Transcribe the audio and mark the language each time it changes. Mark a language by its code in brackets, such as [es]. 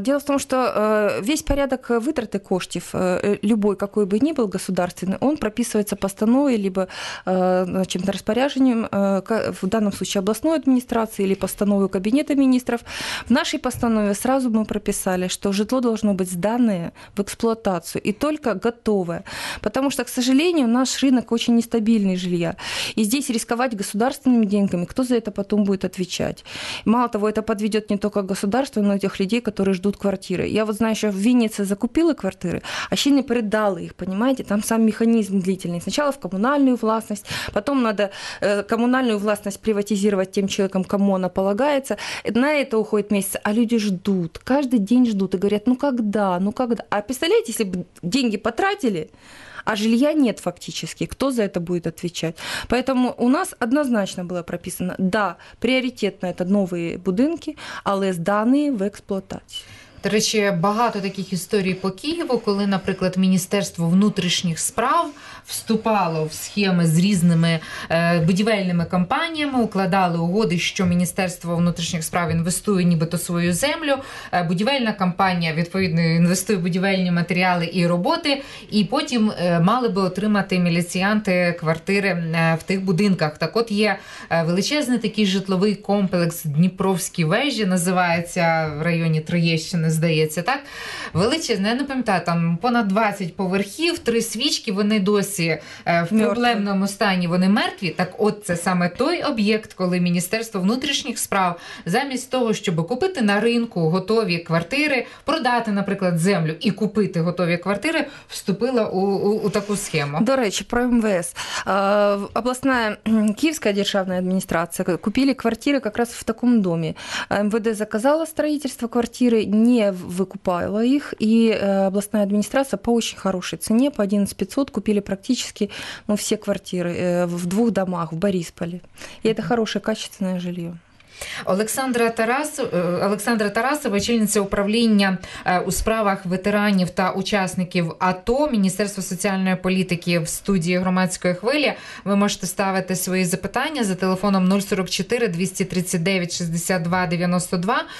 [uk] Діло в тому, що весь порядок витрати коштів, любой, який би ні був, государственний, він прописується постановою, або чим-то розпорядженням, в даному випадку обласної адміністрації, або постановою Кабінету міністрів. В нашій постанові одразу ми прописали, що житло має бути здане в експлуатацію і тільки готове [ru] готовое. Потому что, к сожалению, наш рынок очень нестабильный жилья. И здесь рисковать государственными деньгами, кто за это потом будет отвечать? Мало того, это подведет не только государство, но и тех людей, которые ждут квартиры. Я вот знаю, что в Виннице закупила квартиры, а еще не передала их, понимаете? Там сам механизм длительный. Сначала в коммунальную властность, потом надо коммунальную властность приватизировать тем человеком, кому она полагается. На это уходит месяц, а люди ждут. Каждый день ждут и говорят, ну когда? А представляете, если бы деньги потратили, а жилья нет фактически, кто за это будет отвечать? Поэтому у нас однозначно было прописано, да, приоритетно это новые будинки, [uk] але [ru] зданные в эксплуатации. [uk] До речі, багато таких історій по Києву, коли, наприклад, Міністерство внутрішніх справ вступало в схеми з різними будівельними компаніями, укладали угоди, що Міністерство внутрішніх справ інвестує нібито свою землю, будівельна компанія, відповідно, інвестує будівельні матеріали і роботи, і потім мали би отримати міліціянти квартири в тих будинках. Так от є величезний такий житловий комплекс «Дніпровські вежі», називається в районі Троєщини, здається, так? Величезне, я не пам'ятаю, там понад 20 поверхів, три свічки, вони досі в проблемному стані, вони мертві. Так от це саме той об'єкт, коли Міністерство внутрішніх справ замість того, щоб купити на ринку готові квартири, продати, наприклад, землю і купити готові квартири, вступило у таку схему. До речі, про МВС. Обласна Київська державна адміністрація купили квартири якраз в такому домі. [ru] МВД заказала [uk] будівництво квартири, [ru] не выкупала их, и областная администрация по очень хорошей цене, по 11500, купили практически все квартиры в двух домах в Борисполе. И это хорошее, качественное жилье. [uk] Олександра Тарасова, очільниця управління у справах ветеранів та учасників АТО Міністерства соціальної політики в студії громадської хвилі. Ви можете ставити свої запитання за телефоном 044-239-62-92.